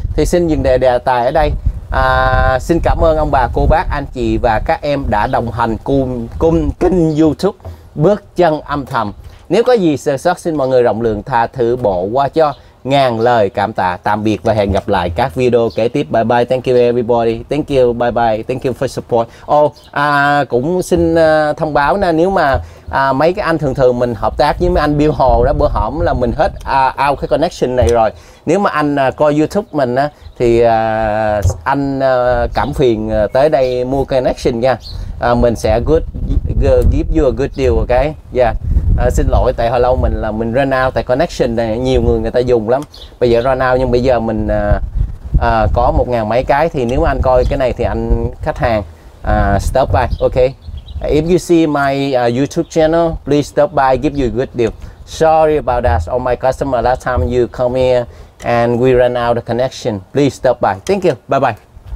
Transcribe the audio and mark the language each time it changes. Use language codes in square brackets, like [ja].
[vi] Thì xin dừng đề tài ở đây. Xin cảm ơn ông bà cô bác anh chị và các em đã đồng hành cùng kênh YouTube Bước Chân Âm Thầm. Nếu có gì sơ sót xin mọi người rộng lượng tha thứ bỏ qua cho. Ngàn lời cảm tạ, tạm biệt và hẹn gặp lại các video kế tiếp. [en] Bye bye, thank you everybody, thank you, bye bye, thank you for support. [vi] Cũng xin thông báo nè, nếu mà mấy cái anh thường mình hợp tác với mấy anh Bill Hồ đó, bữa hổm là mình hết out cái connection này rồi. Nếu mà anh coi YouTube mình á, thì anh cảm phiền tới đây mua connection nha. Mình sẽ [en] give you a good deal, okay? Yeah. [vi] Xin lỗi tại hồi lâu mình run out tại connection này, nhiều người ta dùng lắm. Bây giờ run out nhưng bây giờ mình có 1000 mấy cái. Thì nếu anh coi cái này thì anh khách hàng, [en] stop by, okay? If you see my YouTube channel, please stop by, give you a good deal. Sorry about that, all my customer last time you come here and we run out the connection. Please stop by, thank you, bye bye.